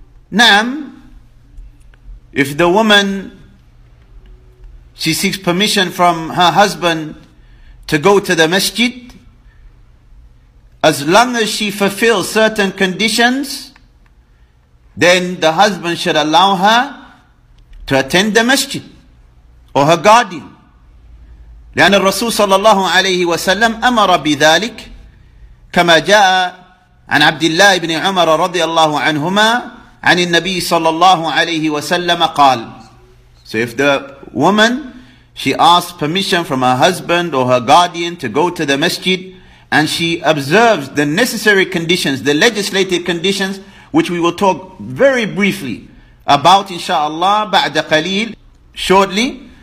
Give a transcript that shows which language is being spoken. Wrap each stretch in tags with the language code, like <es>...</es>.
<en>Nam, if the woman, she seeks permission from her husband to go to the masjid, as long as she fulfills certain conditions, then the husband should allow her to attend the masjid or her guardian.</en> <ar>لأن الرسول صلى الله عليه وسلم أمر بذلك كما جاء عن عبد الله بن عمر رضي الله عنهما عن النبي صلى الله عليه وسلم قال.</ar> <en>So if the woman, she asks permission from her husband or her guardian to go to the masjid, and she observes the necessary conditions, the legislative conditions, which we will talk very briefly about inshallah</en> <ar>بعد قليل,</ar> <en>shortly,</en>